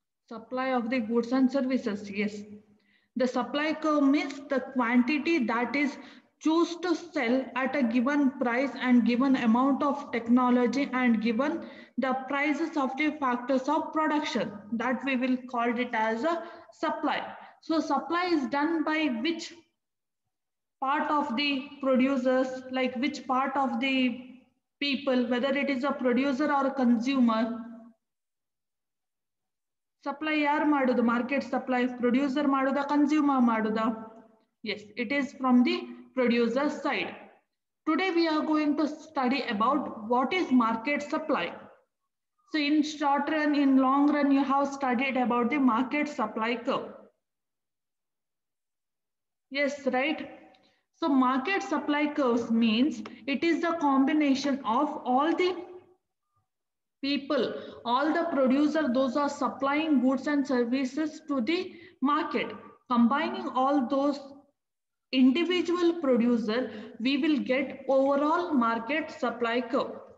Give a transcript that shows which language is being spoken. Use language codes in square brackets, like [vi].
[en] Supply of the goods and services. Yes, the supply curve means the quantity that is choose to sell at a given price and given amount of technology and given the prices of the factors of production, that we will call it as a supply. So supply is done by which part of the producers, like which part of the people, whether it is a producer or a consumer. [kn] Supply ಯಾರು ಮಾಡುದು? Market supply producer ಮಾಡುದ, consumer ಮಾಡುದ? [en] Yes, it is from the producer side. Today we are going to study about what is market supply. So in short run, in long run, you have studied about the market supply curve. Yes, right. So market supply curves means it is the combination of all the people, all the producer, those are supplying goods and services to the market. Combining all those individual producer, we will get overall market supply curve.